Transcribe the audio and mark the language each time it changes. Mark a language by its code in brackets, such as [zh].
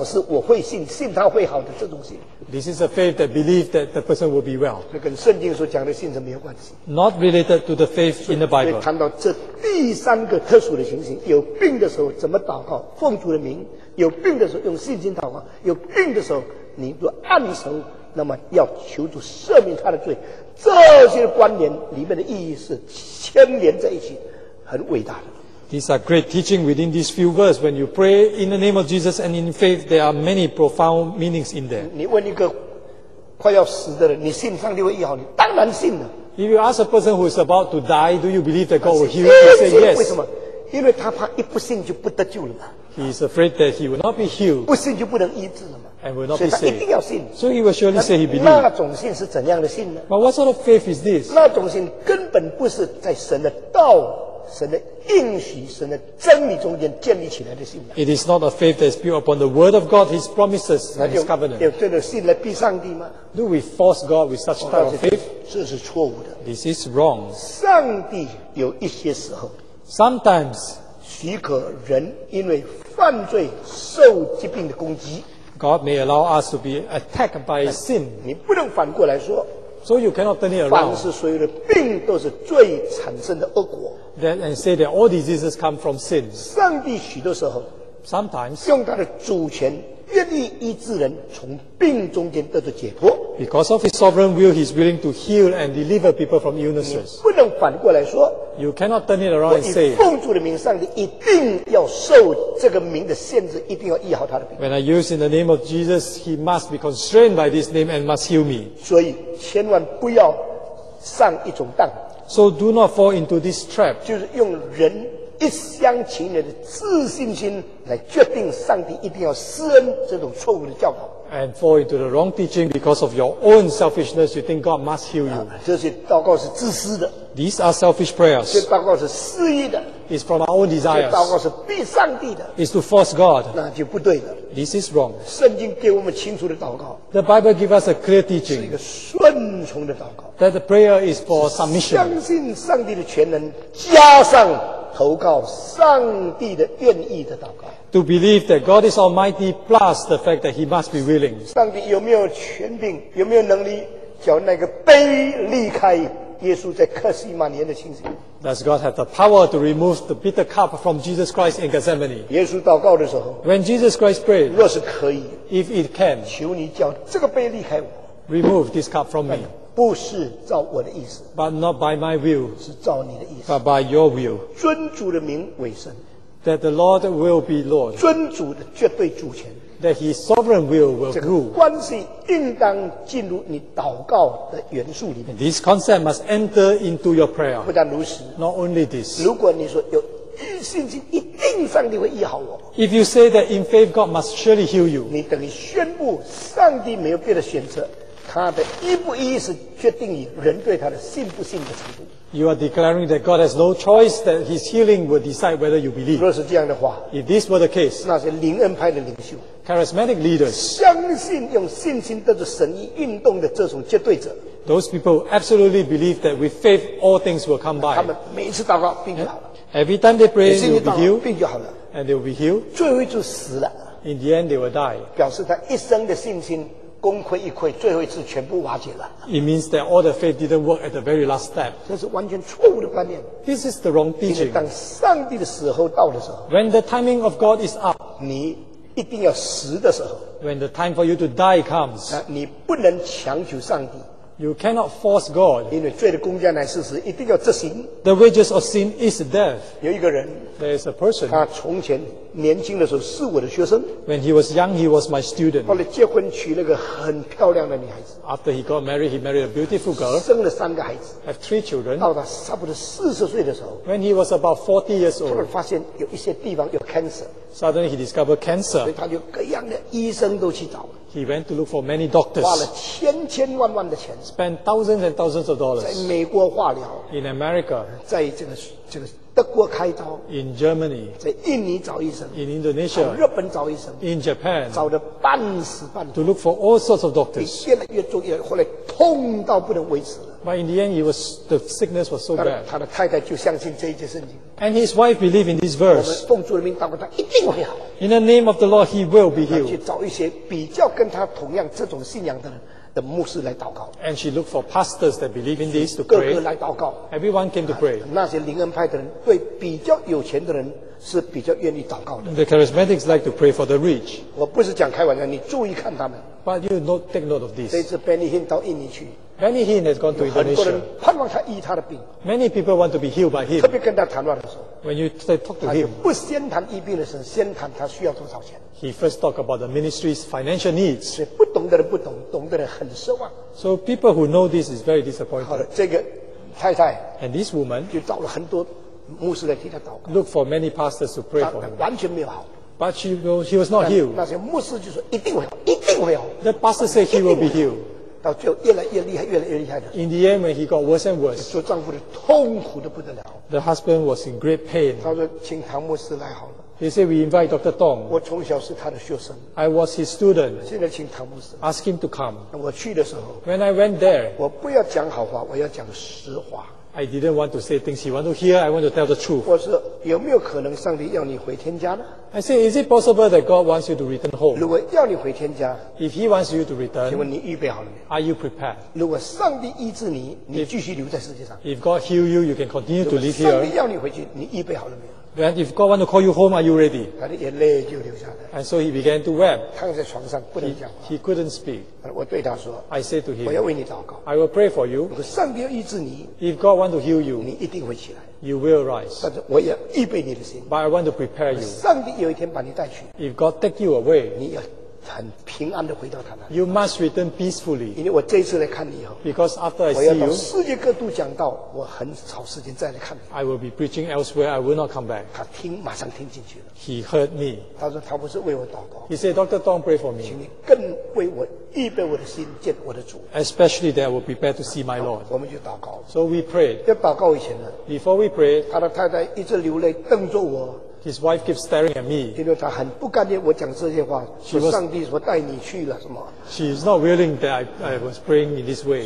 [zh] 这是因为要好就马上表示我会信,信他会好的这种信。 [en] This is a faith that believes that the person will be well. [zh] 这跟圣经所讲的信是没有关系。 [en] Not related to the faith in the Bible. [zh] 所以看到这第三个特殊的情形, 有病的时候怎么祷告, 奉主的名, 有病的时候用信心祷告, 有病的时候你若按手, 那么要求主赦免他的罪, 这些观点里面的意义是牵连在一起,很伟大的。 [en] These are great teaching within these few verses. When you pray in the name of Jesus and in faith, there are many profound meanings in there. [zh] 你问一个快要死的人, 你信上帝会医好你, 当然信了。 [en] If you ask a person who is about to die, do you believe that God will heal you? He say yes. [zh] 为什么? 因为他怕一不信就不得救了嘛。 [en] He is afraid that he will not be healed. [zh] 不信就不能医治了嘛。 [en] And will not be saved. [zh] 所以他一定要信。 [en] So he will surely say he believes. [zh] 那种信是怎样的信呢? [en] But what sort of faith is this? [zh] 那种信根本不是在神的道, 神的应许, 神的真理中间建立起来的信, [en] it is not a faith that is built upon the word of God, his promises and his covenant. [zh] 有这种信来逼上帝吗? [en] Do we force God with such type of faith? [zh] 这是错误的。 [en] This is wrong. [zh] 上帝有一些时候, [en] sometimes [zh] 许可人因为犯罪受疾病的攻击。 [en] God may allow us to be attacked by sin. [zh] 你不能反过来说。 [en] So you cannot turn it around. [zh] 凡是所有的病都是罪产生的恶果。 [en] That and say that all diseases come from sin. [zh] 上帝许多时候。 [en] Sometimes. [zh] 用他的主权愿意医治人从病中间得到解脱。 [en] Because of his sovereign will, he's willing to heal and deliver people from illnesses. [zh] 不能反过来说。 [en] You cannot turn it around and say, [zh] 我以奉主的名，上帝一定要受这个名的限制，一定要医好他的病。 [en] When I use in the name of Jesus, he must be constrained by this name and must heal me. [zh] 所以千万不要上一种当。 [en] So do not fall into this trap. [zh] 就是用人一厢情愿的自信心来决定上帝一定要施恩这种错误的教导。 [en] And fall into the wrong teaching because of your own selfishness, you think God must heal you. [zh] 这些祷告是自私的。 [en] These are selfish prayers. [zh] 这些祷告是私欲的。 [en] It's from our own desires. [zh] 这些祷告是逼上帝的。 [en] It's to force God. [zh] 那就不对了。 [en] This is wrong. [zh] 圣经给我们清楚的祷告。 [en] The Bible gives us a clear teaching. [zh] 是一个顺从的祷告。 [en] That the prayer is for submission. [zh] 相信上帝的全能，加上投靠上帝的愿意的祷告。 [en] To believe that God is Almighty plus the fact that He must be willing. [zh] 上帝有没有权柄，有没有能力叫那个杯离开耶稣在克西马尼的情形？ [en] Does God have the power to remove the bitter cup from Jesus Christ in Gethsemane? [zh] 耶稣祷告的时候， [en] When Jesus Christ prayed, [zh] 若是可以， [en] if it can, [zh] 求你叫这个杯离开我， [en] remove this cup from me. [zh] 不是照我的意思， [en] but not by my will, [zh] 是照你的意思， [en] but by your will. [zh] 尊主的名为圣。 [en] That the Lord will be Lord. [zh] 尊主的绝对主权。 [en] That His sovereign will rule. [zh] 这个关系应当进入你祷告的元素里面。 [en] This concept must enter into your prayer. [zh] 不但如此。 [en] Not only this. [zh] 如果你说有信心，一定上帝会医好我。 [en] If you say that in faith, God must surely heal you. [zh] 你等于宣布上帝没有别的选择，他的医不医是决定于人对他的信不信的程度。 [en] You are declaring that God has no choice, that His healing will decide whether you believe. [zh] 若是这样的话， [en] if this were the case, [zh] 那些灵恩派的领袖， [en] charismatic leaders, [zh] 相信用信心得着神意运动的这种绝对者， [en] those people absolutely believe that with faith all things will come by. [zh] 他们每一次祷告病就好了， [en] every time they pray they will be healed, [zh] 病就好了， [en] and they will be healed. [zh] 最后一次死了， [en] in the end they will die. [zh] 表示他一生的信心功亏一篑，最后一次全部瓦解了。 [en] It means that all the faith didn't work at the very last step. [zh] 这是完全错误的观念。 [en] This is the wrong teaching. [zh] 因为当上帝的时候到的时候， [en] When the timing of God is up, [zh] 你一定要死的时候， [en] When the time for you to die comes, [zh] 你不能强求上帝。 [en] You cannot force God. [zh] 因为罪的工价乃是死，一定要执行。 [en] The wages of sin is death. [zh] 有一个人， [en] There is a person. [zh] 他从前年轻的时候是我的学生。 [en] When he was young, he was my student. [zh] 后来结婚娶了个很漂亮的女孩子。 [en] After he got married, he married a beautiful girl. [zh] 生了三个孩子。 [en] Have three children. [zh] 到他差不多40岁的时候， [en] When he was about 40 years old, [zh] 突然发现有一些地方有 cancer. [en] Suddenly he discovered cancer. [zh] 所以他就各样的医生都去找。 [en] He went to look for many doctors. [zh] 花了千千万万的钱。 [en] Spent thousands and thousands of dollars. [zh] 在美国化疗。 [en] In America. [zh] 在这个德国开刀。 [en] In Germany. [zh] 在印尼找医生。 [en] In Indonesia. [zh] 日本找医生。 [en] In Japan. [zh] 找得半死半活。 [en] To look for all sorts of doctors. [zh] 越来越重，后来痛到不能维持了。 [en] But in the end, the sickness was so bad. [zh] 他的太太就相信这一节圣经。 [en] And his wife believed in this verse. [zh] 我们奉主的名祷告，他一定会好。 [en] In the name of the Lord, he will be healed. [zh] 去找一些比较跟他同样这种信仰的人的牧师来祷告。 [en] And she looked for pastors that believe in this to pray. [zh] 个个来祷告。 [en] Everyone came to pray. [zh] 那些灵恩派的人对比较有钱的人是比较愿意祷告的。 [en] The charismatics like to pray for the rich. [zh] 我不是讲开玩笑，你注意看他们。 [en] But you not take note of this. [zh] 这次 Benny Hinn 到印尼去。 [en] Many Hinn has gone to Indonesia. Many people want to be healed by him. [zh] 特别跟他谈话的时候， [en] when you talk to him, [zh] 不先谈医病的事，先谈他需要多少钱。 [en] He first talk about the ministry's financial needs. [zh] 所以不懂的人不懂，懂的人很失望。 [en] So people who know this is very disappointed. [zh] 好的，这个太太， [en] and this woman, [zh] 就找了很多牧师来替他祷告。 [en] Look for many pastors to pray for him. [zh] 完全没有好。 [en] But he was not healed. [zh] 那些牧师就说一定会好，一定会好。 [en] The pastor said he will be healed. [zh] 到最后越来越厉害，越来越厉害的。 [en] In the end, when he got worse and worse, [zh] 做丈夫的痛苦的不得了。 [en] The husband was in great pain. [zh] 他说：“请唐牧师来好了。” [en] He said, "We invite Dr. Tong." [zh] 我从小是他的学生。 [en] I was his student. [zh] 现在请唐牧师。 [en] Ask him to come. [zh] 我去的时候 [en] ，When I went there, [zh] 我不要讲好话，我要讲实话。 [en] I didn't want to say things he wanted to hear. I want to tell the truth. [zh] 我说有没有可能上帝要你回天家呢？ [en] I say, is it possible that God wants you to return home? [zh] 如果要你回天家， [en] if he wants you to return, [zh] 请问你预备好了没有？ [en] Are you prepared? [zh] 如果上帝医治你，你继续留在世界上。 [en] If God heal you, you can continue to live here. [zh] 如果上帝要你回去，你预备好了没有？ [en] Then if God wants to call you home, are you ready? [zh] 他的眼泪就流下来。 [en] And so he began to weep. [zh] 躺在床上不能讲话。 [en] He couldn't speak. [zh] 我对他说， [en] I say to him, [zh] 我要为你祷告。 [en] I will pray for you. [zh] 如果上帝要医治你， [en] if God wants to heal you, [zh] 你一定会起来。 [en] You will rise. [zh] 但是我要预备你的心。 [en] But I want to prepare you. [zh] 上帝有一天把你带去。 [en] If God take you away, [zh] 你要很平安地回到他那里。 [en] You must return peacefully. [zh] 因为我这一次来看你以后。 [en] Because after I see you, [zh] 我要到世界各地讲道，我很少时间再来看你。 [en] I will be preaching elsewhere. I will not come back. [zh] 他听，马上听进去了。 [en] He heard me. [zh] 他说他不是为我祷告。 [en] He said, Dr. Dong, pray for me. [zh] 请你更为我预备我的心，见我的主。 [en] Especially that I will prepare to see my Lord. [zh] 我们就祷告。 [en] So we prayed. [zh] 要祷告以前呢。 [en] Before we pray, [zh] 他的太太一直流泪瞪着我。 [en] His wife keeps staring at me. [zh] 因为她很不甘愿我讲这些话，说上帝说带你去了什么。 [en] She is not willing that I was praying in this way.